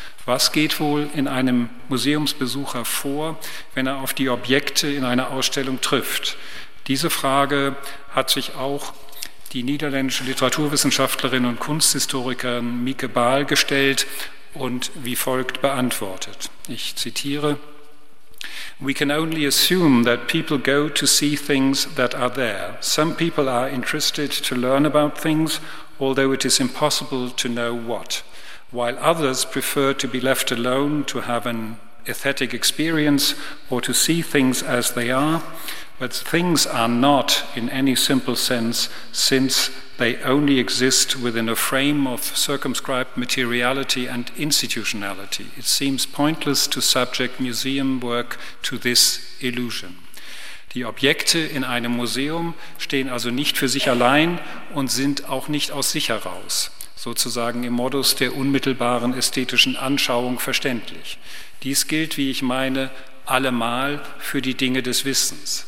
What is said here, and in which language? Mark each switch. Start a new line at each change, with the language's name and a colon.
German: Was geht wohl in einem Museumsbesucher vor, wenn er auf die Objekte in einer Ausstellung trifft? Diese Frage hat sich auch die niederländische Literaturwissenschaftlerin und Kunsthistorikerin Mieke Baal gestellt und wie folgt beantwortet. Ich zitiere:
English: "We can only assume that people go to see things that are there. Some people are interested to learn about things, although it is impossible to know what. While others prefer to be left alone, to have an aesthetic experience, or to see things as they are. But things are not, in any simple sense, since they only exist within a frame of circumscribed materiality and institutionality. It seems pointless to subject museum work to this illusion."
German: Die Objekte in einem Museum stehen also nicht für sich allein und sind auch nicht aus sich heraus, sozusagen im Modus der unmittelbaren ästhetischen Anschauung verständlich. Dies gilt, wie ich meine, allemal für die Dinge des Wissens.